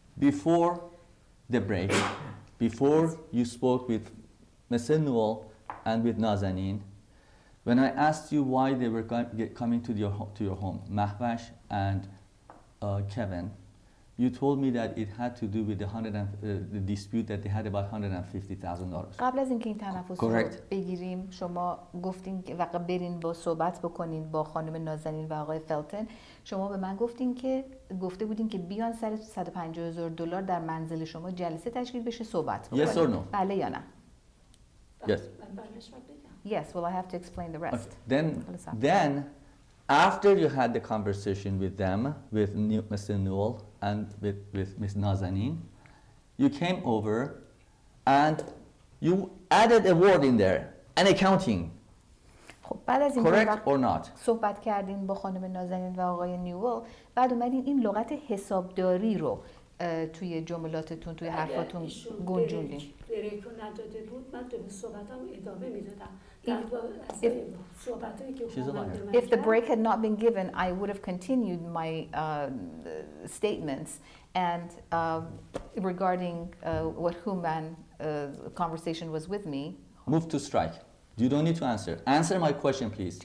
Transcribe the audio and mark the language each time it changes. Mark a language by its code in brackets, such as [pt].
[en] Before the break, before you spoke with Mr. Newell and with Nazanin, When I asked you why they were coming to your home, Mahvash and Kevin, you told me that it had to do with the dispute that they had about $150,000. [fa] قبل از اینکه این تنفس رو بگیریم شما گفتین که برین با صحبت بکنین با خانم نازنین و آقای فلتن شما به من گفتین که گفته بودین که بیان سر $150,000 در منزل شما جلسه تشکیل بشه صحبت بکنین. [en] Yes or no? [fa] بله یا نه. [en] Yes. Yes, well, I have to explain the rest. Okay. Then, after you had the conversation with them, with Mr. Newell and with Ms. Nazanin, you came over and you added a word in there, an accounting. Correct or not? [fa] صحبت کردین با خانم نازنین و آقای نیول بعد اومدین این لغت حسابداری رو توی جملاتتون توی حرفاتون گنجوندین. بریک نداده بود من دوم صحبتم ادامه میدادم. [en] If the break had not been given, I would have continued my statements and regarding what conversation was with me. Move to strike. You don't need to answer. Answer my question, please.